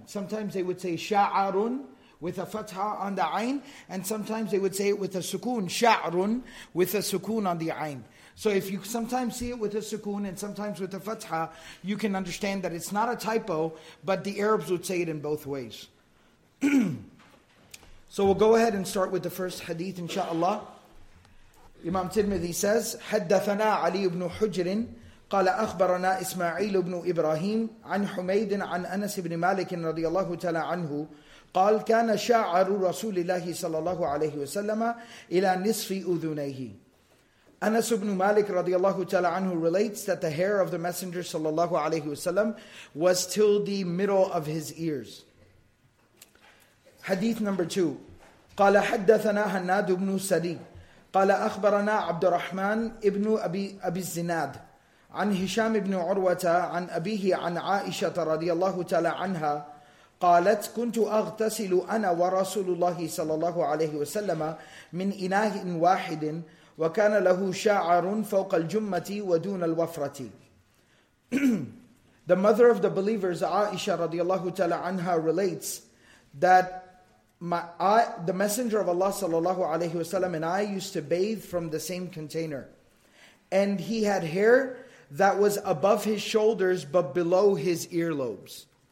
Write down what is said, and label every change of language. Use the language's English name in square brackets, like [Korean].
[English] Sometimes they would say sha'arun with a fatha on the ayn, and sometimes they would say it with a sukun, sha'arun with a sukun on the ayn. So if you sometimes see it with a sukun and sometimes with a fatha, you can understand that it's not a typo, but the Arabs would say it in both ways. So we'll go ahead and start with the first hadith, inshaAllah. Imam Tirmidhi says, [Arabic] حدثنا علي بن حجر قال أخبرنا إسماعيل بن إبراهيم عن حميد عن أنس بن مالك رضي الله تعالى عنه قال كان شاعر رسول الله صلى الله عليه وسلم إلى نصف أذنيه. [English] Anas ibn Malik radiallahu ta'ala anhu relates that the hair of the Messenger sallallahu alayhi wasallam was till the middle of his ears. Hadith number two. [Arabic] قال حدثنا هناد بن سري قال أخبرنا عبد الرحمن ابن أبي الزناد عن هشام بن عروة عن أبيه عن عائشة رضي الله تعالى عنها قالت كنت أغتسل أنا ورسول الله صلى الله عليه وسلم من إناء واحد وكان له شعر فوق الجمة ودون الوفرة. [English] The mother of the believers, Aisha [Arabic] رضي الله تعالى عنها, [English] relates that the messenger of Allah [Arabic] صلى الله عليه وسلم [English] and I used to bathe from the same container, and he had hair that was above his shoulders, but below his earlobes.